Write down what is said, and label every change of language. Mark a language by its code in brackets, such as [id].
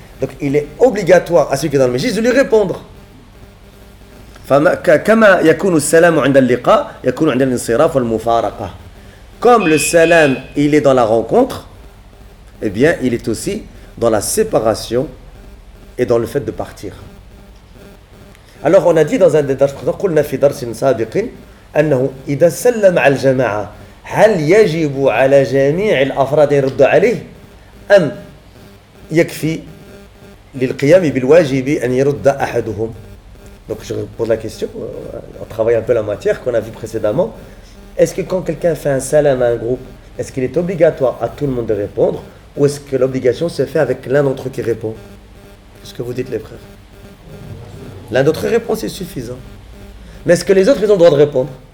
[fr] Donc, il est obligatoire à celui qui est dans le majlis de lui répondre. [ar] فَكَمَا يَكُونُ السَّلَامُ عِنْدَ اللِّقَاءِ يَكُونُ عِنْدَ الْإِنْصِرَافِ وَالْمُفَارَقَةِ. [fr] Comme le salam, il est dans la rencontre, eh bien, il est aussi dans la séparation et dans le fait de partir. Alors on a dit dans un des darsh précédents, [ar] قلنا في درس سابق انه اذا سلم على الجماعه هل يجب على جميع الافراد ان يردوا عليه ام يكفي للقيام بالواجب ان يرد احدهم. [fr] Donc je pose la question, on travaille un peu la matière qu'on a vu précédemment. Est-ce que quand quelqu'un fait un salam à un groupe, est-ce qu'il est obligatoire à tout le monde de répondre ou est-ce que l'obligation se fait avec l'un d'entre eux qui répond? Qu'est-ce que vous dites les frères? L'un d'autres réponse est suffisant. Mais est-ce que les autres, ils ont le droit de répondre?